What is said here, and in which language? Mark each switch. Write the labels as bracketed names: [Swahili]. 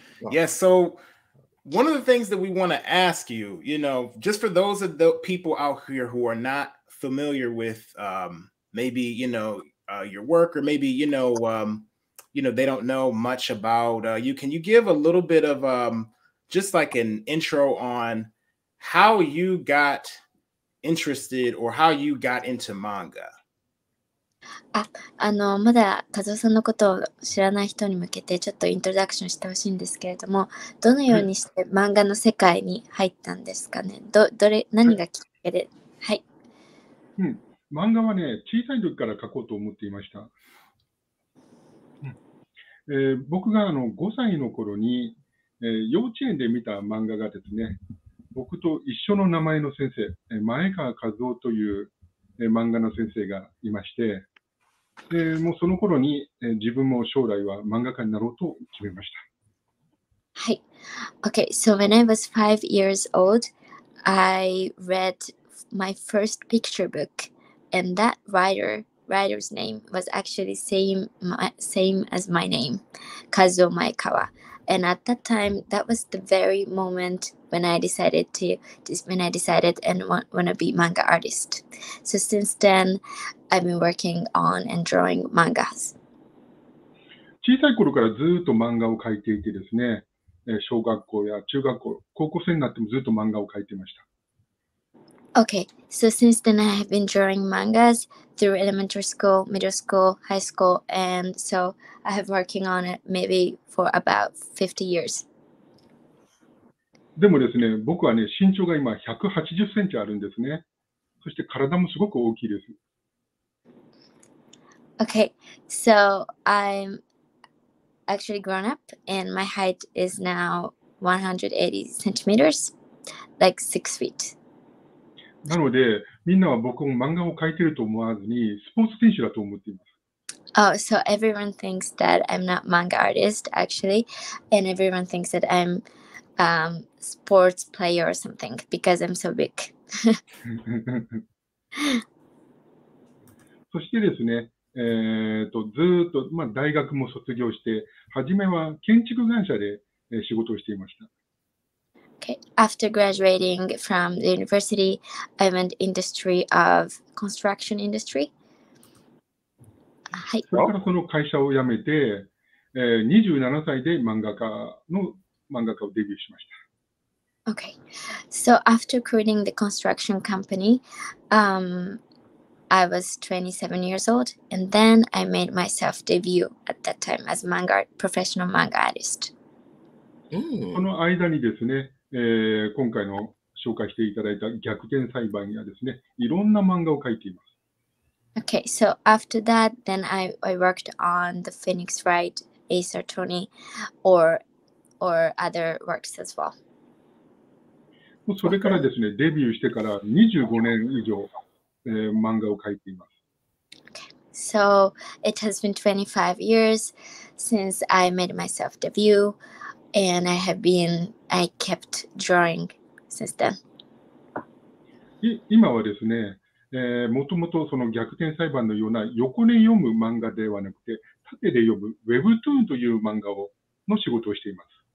[English] Yes, so one of the things that we want to ask you, you know, just for those of the people out here who are not familiar with maybe, you know, your work, or maybe, you know, you know, they don't know much about you. Can you give a little bit of just like an intro on how you got interested or how you got into manga? [Japanese] まだ和夫さんのことを知らない人に向けてちょっとイントロダクションしてほしいんですけれども、どのようにして漫画の世界に入ったんですかね。どれ何がきっかけで、はい。漫画はね、小さい時から描こうと思っていました。僕が5歳の頃に、幼稚園で見た漫画がですね、僕と一緒の名前の先生、前川和夫という、漫画の先生がいまして、もうその頃に、自分も将来は漫画家になろうと決めました。はい。 [English] Okay, so when I was 5 years old, I read my first picture book, and that writer's name was actually same as my name, Kazuo Maekawa. And at that time, that was the very moment when I decided to be manga artist. So since then, I've been working on and drawing mangas. [Japanese] 小さい頃からずっと漫画を描いていてですね、小学校や中学校、高校生になってもずっと漫画を描いてました。 [English] Okay, so since then I have been drawing mangas through elementary school, middle school, high school, and so I have been working on it maybe for about 50 years. [Japanese] でもですね、僕はね、身長が今180センチあるんですね。そして体もすごく大きいです。 [English] Okay, so I'm actually grown up and my height is now 180 centimeters, like 6 feet. [Japanese] なので、みんなは僕も漫画を描いてると思わずに、スポーツ選手だと思っています。 [English] Oh, so everyone thinks that I'm not manga artist, actually. And everyone thinks that I'm sports player or something, because I'm so big. [Japanese] そしてですね、ずっと、まあ、大学も卒業して、初めは建築会社で仕事をしていました。 [English] After graduating from the university, I went industry of construction industry. [Japanese] はい。だからその会社を辞めて、27歳で漫画家をデビューしました。 [English] Okay. So after quitting the construction company, I was 27 years old, and then I made myself debut at that time as manga professional manga artist. [Japanese] この間にですね、今回の紹介していただいた逆転裁判やですね、いろんな漫画を描いています。 [English] Okay, so after that, then I worked on the Phoenix Wright, Ace Attorney, or other works as well. [Japanese] それからですね、デビューしてから25年以上、漫画を描いています。 [English] So it has been 25 years since I made myself debut, and I have been, I kept drawing since then. [Japanese] 今はですね、もともとその逆転裁判のような横に読む漫画ではなくて、縦で読む Webtoon という漫画をの仕事をしています。